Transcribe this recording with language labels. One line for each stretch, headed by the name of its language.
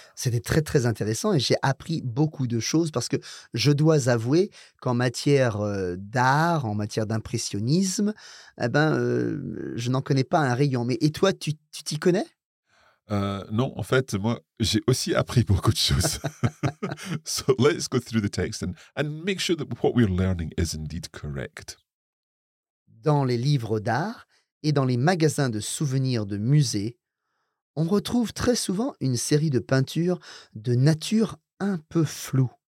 French: C'était très, très intéressant et j'ai appris beaucoup de choses parce que je dois avouer qu'en matière d'art, en matière d'impressionnisme, je n'en connais pas un rayon. Mais, et toi, tu t'y connais? Non, en fait, moi, j'ai aussi appris beaucoup de choses.
English: So let's go through the text and make sure that what we're learning is indeed correct.
French: Dans les livres d'art et dans les magasins de souvenirs de musées, on retrouve très souvent une série de peintures de nature un peu floue.